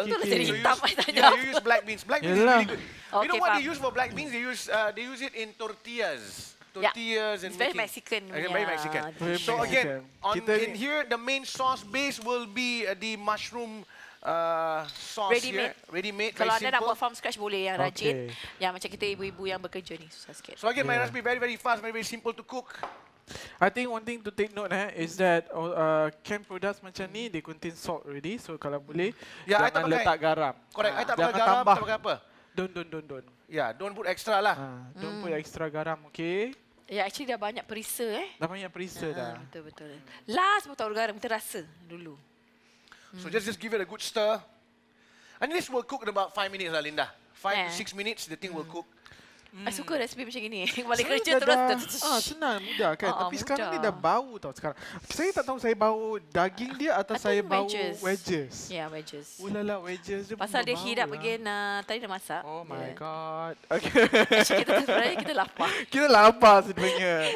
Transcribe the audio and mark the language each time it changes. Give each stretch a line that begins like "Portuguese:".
English: Kidney. So you use black beans. Black beans is really good. You know what they use for black beans? They use it in tortillas. Very Mexican. So again, in here, the main sauce base will be the mushroom sauce ready made.
Malay: Kalau anda nak buat
English: from scratch
Malay: boleh yang rajin. Yang macam kita ibu-ibu yang bekerja ni susah sikit.
English: So again, my recipe very very fast, very very simple to cook. I think one thing to take note is that canned products
Malay: macam ni
English: they contain salt already.
Malay: So kalau boleh jangan letak garam.
English: Correct.
Malay: I tak pakai garam, tak pakai apa.
English: Don't. Yeah, don't put extra lah. Don't put extra garam, okay?
Malay: Ya, yeah, actually dah banyak perisa Dah banyak perisa dah. Betul. Last pun tak ada garam, kita rasa dulu.
English: So just give it a good stir. And this will cook in about 5 minutes, Linda. 5 to 6 minutes, the thing will cook.
Malay: Hmm. I suka resipi macam ini. Balik kerja terus. Senang, mudah kan. Tapi sekarang ni dah bau tau sekarang. Saya tak tahu saya bau daging dia atau saya bau wedges. Ya, yeah, wedges. Ulala, wedges dia. Pasal dia
English: heat up again.
Malay: Tadi dah masak.
English: Oh my yeah. God.
Malay: Okay. Kita lapar. Kita lapar sebenarnya.